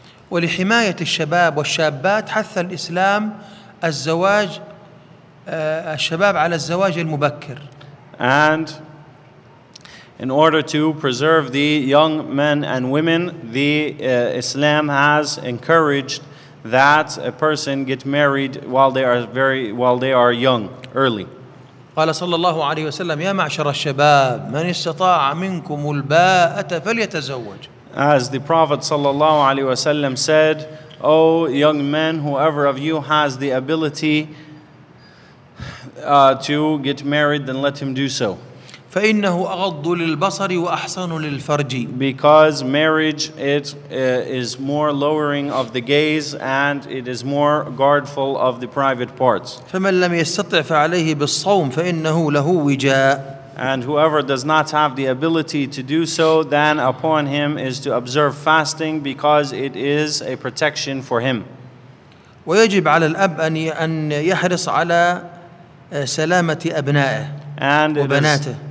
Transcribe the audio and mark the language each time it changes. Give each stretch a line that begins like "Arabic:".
Arabic: ولحماية الشباب والشابات حث الإسلام الزواج الشباب على الزواج المبكر.
English: And in order to preserve the young men and women, the Islam has encouraged that a person get married while they are young, early.
Arabic: قال صلى الله عليه وسلم يا معشر الشباب من استطاع منكم الباءة فليتزوج.
English: As the Prophet
Arabic: صلى الله عليه وسلم
English: said, O young men, whoever of you has the ability to get married, then let him do so.
Arabic: فَإِنَّهُ أَغَضُّ لِلْبَصَرِ وَأَحْسَنُ لِلْفَرْجِ.
English: Because marriage, it is more lowering of the gaze and it is more guardful of the private parts.
Arabic: فَمَنْ لَمْ يَسْتَطِعْ فَعَلَيْهِ بِالصَّوْمِ فَإِنَّهُ لَهُ وِجَاءٌ.
English: And whoever does not have the ability to do so, then upon him is to observe fasting because it is a protection for him.
Arabic: ويجب على الأب أن يحرص على سلامة أبنائه وبناته.